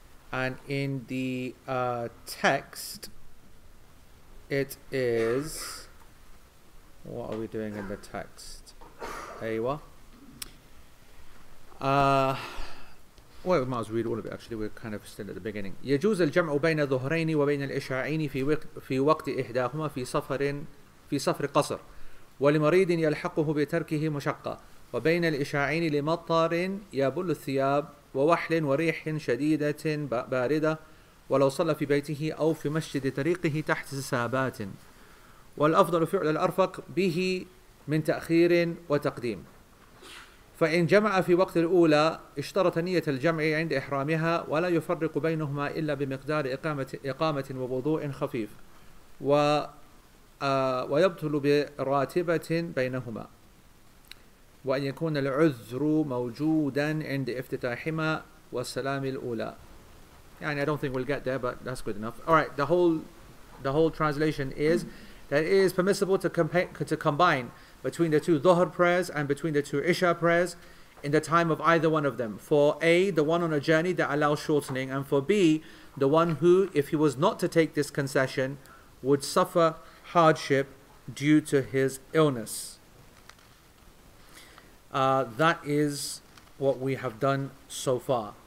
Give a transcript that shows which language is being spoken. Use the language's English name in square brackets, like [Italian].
[English] And in the text, it is. What are we doing in the text? Aywa. Well, we might as well read all of it. Actually, we're kind of still at the beginning. [Arabic] يجوز الجمع بين الظهرين وبين العشاءين في وقت إحداهما في سفر قصر ولمريض يلحقه بتركه مشقة وبين العشاءين لمطر يبل الثياب ووحل وريح شديدة باردة ولو صلى في بيته أو في مسجد طريقه تحت سابات والأفضل فعل الأرفق به من تأخير وتقديم فإن جمع في وقت الأولى اشترط نية الجمع عند إحرامها ولا يفرق بينهما إلا بمقدار إقامة ووضوء خفيف ويبطل براتبة بينهما وأن يكون العذر موجودا عند افتتاحهما والسلام الأولى يعني [English] I don't think we'll get there but that's good enough Alright, the whole translation is That it is permissible to combine between the two Dhuhr prayers and between the two Isha prayers in the time of either one of them. For A, the one on a journey that allows shortening, and for B, the one who, if he was not to take this concession, would suffer hardship due to his illness. That is what we have done so far.